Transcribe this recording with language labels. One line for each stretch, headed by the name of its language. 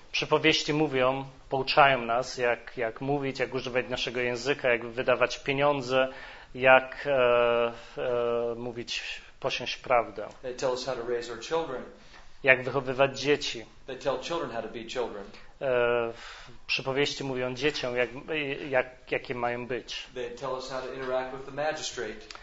Polish: Przypowieści mówią, pouczają nas, jak mówić, jak używać naszego języka, jak wydawać pieniądze, jak mówić, posiąść prawdę.
English: They tell us how to raise our children.
Polish: Jak wychowywać dzieci.
English: They tell children how to be children.
Polish: Przypowieści mówią dzieciom, jakie mają być.
English: They tell us how to interact with the magistrate.